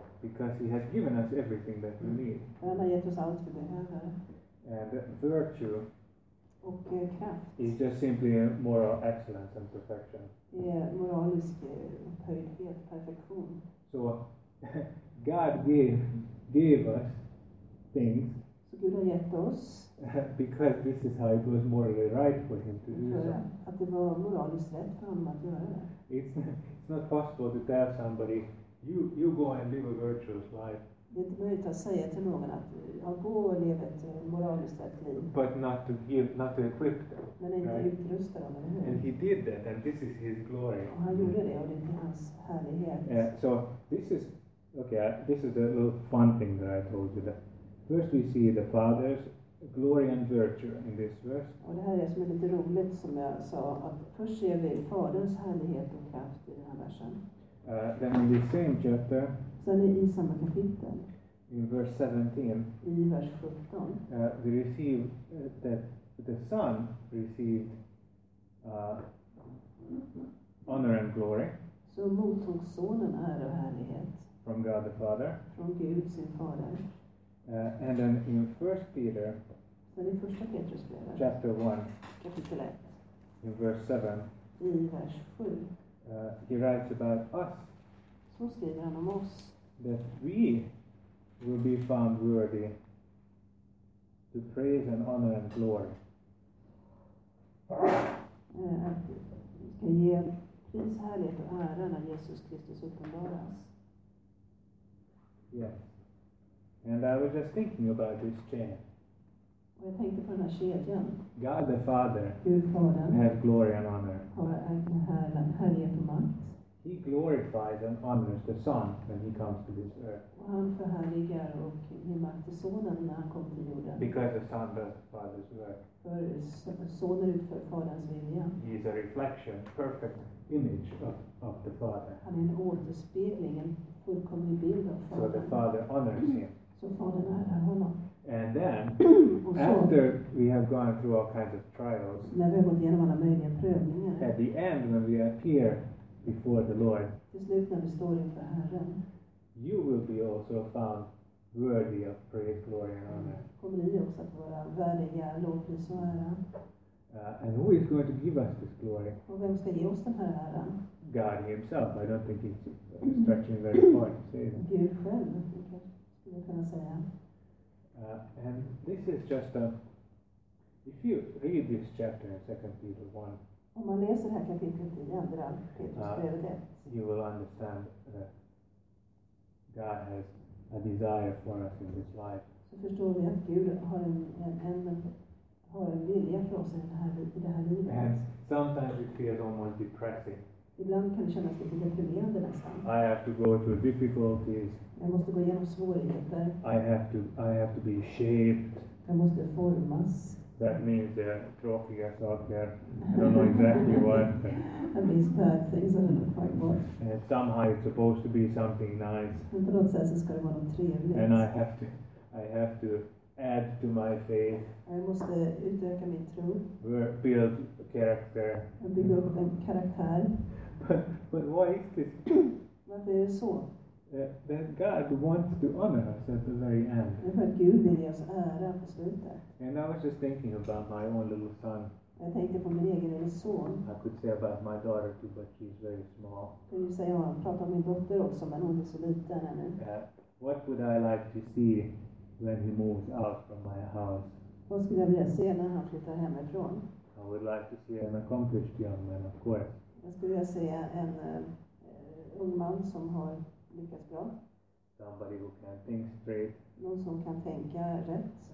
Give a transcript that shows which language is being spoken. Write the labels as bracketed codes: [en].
[en] Because he has given us everything that we need. [sv] Han har gett oss allt vi behöver. [en] And virtue [sv] och kraft [en] is just simply moral excellence and perfection. [sv] Yeah, moralisk upphöjdhet, perfektion. [en] So God gave us things. [sv] Så Gud har gett oss. [en] Because this is how it was morally right for him to do so. [sv] Att det var moraliskt rätt för honom att göra det. [en] It's not possible to tell somebody you go and live a virtuous life. [sv] Det är möjligt att säga till någon att jag går och lever ett moraliskt rätt liv. [en] But not to give, not to equip them. [sv] Men inte utrusta dem, eller hur? [en] And he did that, and this is his glory. [sv] Och han gjorde det, och det är hans härlighet. [en] Yeah, so this is okay. This is the little fun thing that I told you. That first we see the Father's glory and virtue in this verse. [sv] Och det här är som är lite roligt som jag sa, att först ser vi Faderns härlighet och kraft i den här versen. [en] Then in the same chapter. [sv] Sen i samma kapitel. [en] In verse 17. [sv] I vers 17. [en] We receive that the Son received honor and glory. [sv] Så mottog sonen ära och härlighet. [en] From God the Father. [sv] Från Gud sin fader. [en] And then in First Peter. [sv] Sen i första Petrus brev. [en] Chapter 1. [sv] Kapitel 1. [en] In verse 7. [sv] I vers 7. [en] He writes about us. [sv] Så skriver han om oss. [en] That we will be found worthy to praise and honor and glory. [sv] Ska ge pris, härlighet och ära när Jesus Kristus uppenbaras. [en] Yes. And I was just thinking about this chain. [sv] Och jag tänkte på den här kedjan. [en] God the Father. [sv] Gud Fadern. [en] Has glory and honor. [sv] Härlighet och makt. [en] He glorifies and honors the Son when he comes to this earth. [sv] Och han förhärligar och ger makt till Sonen när han kommer till jorden. [en] Because the Son does the Father's work. [sv] För Sonen utför Faderns vilja. [en] He is a reflection, perfect image of the Father. [sv] Han är en återspegling, en fullkomlig bild av Fadern. [en] So the Father honors him. [sv] Så Fadern ärar honom. [en] And then, after we have gone through all kinds of trials, [sv] när vi har gått igenom alla möjliga prövningar, [en] at the end when we appear before the Lord, [sv] till slut när vi står inför Herren, [en] you will be also found worthy of praise, glory and honor. [sv] Kommer ni också att vara värdiga lovpris och ära? [en] And who is going to give us this glory? [sv] Och vem ska ge oss den här äran? [en] God himself. I don't think it's stretching very far to say that. [sv] Gud själv, skulle jag kunna säga. [en] And this is just a, if you read this chapter in 2 Peter 1, [sv] om man läser det här kapitlet i andra Petrusbrevet, [en] you will understand that God has a desire for us in this life. [sv] Så förstår vi att Gud har en vilja för oss i det här livet. [en] And sometimes it feels almost depressing. [sv] Ibland kan det kännas lite deprimerande nästan. [en] I have to go through difficulties. [sv] Jag måste gå igenom svårigheter. [en] I have to be shaped. [sv] Jag måste formas. [en] That means there are trophies out there. I don't know exactly what. And these bad things, I don't know quite what. And somehow it's supposed to be something nice. [sv] Men på något sätt så ska det vara något trevligt. [en] And I have to add to my faith. [sv] Jag måste utöka min tro. [en] Build a character. [sv] Och bygga upp en karaktär. [en] But why is this? [sv] Varför är det så? [en] That God wants to honor us at the very end. [sv] Gud vill oss ära på slutet. [en] And I was just thinking about my own little son. [sv] Jag tänkte på min egen lille son. [en] I could say about my daughter too, but she's very small. [sv] Kan du säga om prata om min dotter också, men hon är så liten ännu. [en] What would I like to see when he moves out from my house? [sv] Vad skulle jag vilja se när han flyttar hemifrån? [en] I would like to see an accomplished young man, of course. [sv] Jag skulle vilja se en ung man som har lyckats bra. [en] Somebody who can think straight. [sv] Någon som kan tänka rätt.